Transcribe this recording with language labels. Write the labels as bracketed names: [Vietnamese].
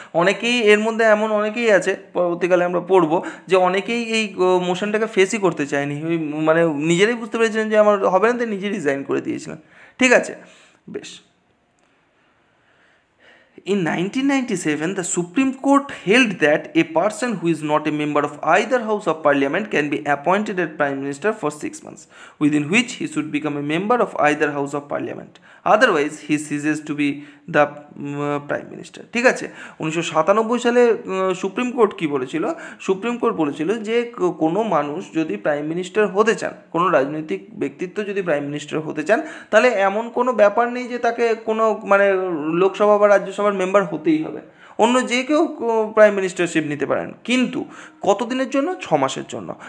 [Bangla] অনেকেই এর মধ্যে এমন অনেকেই আছে পরবর্তীকালে আমরা পড়বো যে অনেকেই এই মোশনটাকে ফেসই করতে চায়নি, মানে নিজেরাই বুঝতে পেরেছিলেন যে আমার হবে না, তো নিজে রিজাইন করে দিয়েছিলেন, ঠিক আছে? [English] বেশ, In 1997, the Supreme Court held that a person who is not a member of either House of Parliament can be appointed as Prime Minister for 6 months, within which he should become a member of either House of Parliament. Otherwise, he ceases to be the Prime Minister. [Bangla] ঠিক আছে, 1997 সালে supreme court কি বলেছিল? Supreme court বলেছিল যে কোনো মানুষ যদি প্রাইম মিনিস্টার হতে চান, কোনো রাজনৈতিক ব্যক্তিত্ব যদি প্রাইম মিনিস্টার হতে চান, তাহলে এমন কোনো ব্যাপার নেই যে তাকে কোনো মানে লোকসভা বা রাজ্যসভার মেম্বার হতেই হবে, অন্য যে কেউ প্রাইম মিনিস্টারশিপ নিতে পারেন, কিন্তু কতদিনের জন্য? 6 মাসের জন্য।